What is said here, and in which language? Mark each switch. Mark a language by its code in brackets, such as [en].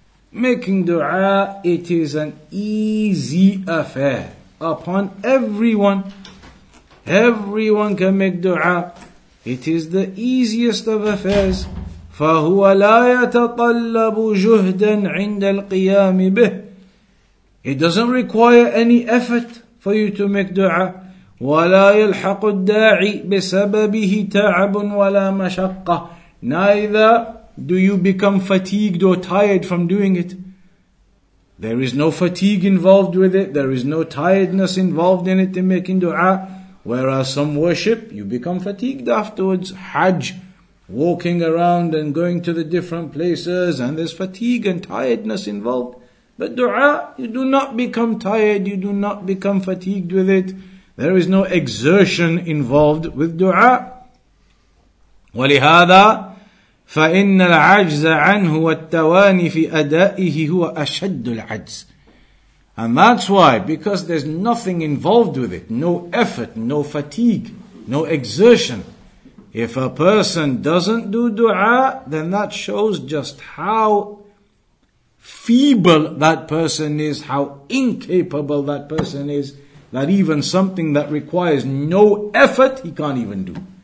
[en] Making dua, it is an easy affair upon everyone. Everyone can make dua. It is the easiest of affairs. [ar] فهو لا يتطلب جهدا عند القيام به. [en] It doesn't require any effort for you to make dua. [ar] ولا يلحق الداعي بسببه تعب ولا مشقة. [en] Neither do you become fatigued or tired from doing it. There is no fatigue involved with it. There is no tiredness involved in it, in making dua. Whereas some worship, you become fatigued afterwards. Hajj, walking around and going to the different places, and there's fatigue and tiredness involved. But dua, you do not become tired. You do not become fatigued with it. There is no exertion involved with dua. [ar] ولهذا فإن العجز عنه والتواني في أدائه هو أشد العجز. [en] And that's why, because there's nothing involved with it, no effort, no fatigue, no exertion. If a person doesn't do dua, then that shows just how feeble that person is, how incapable that person is, that even something that requires no effort, he can't even do.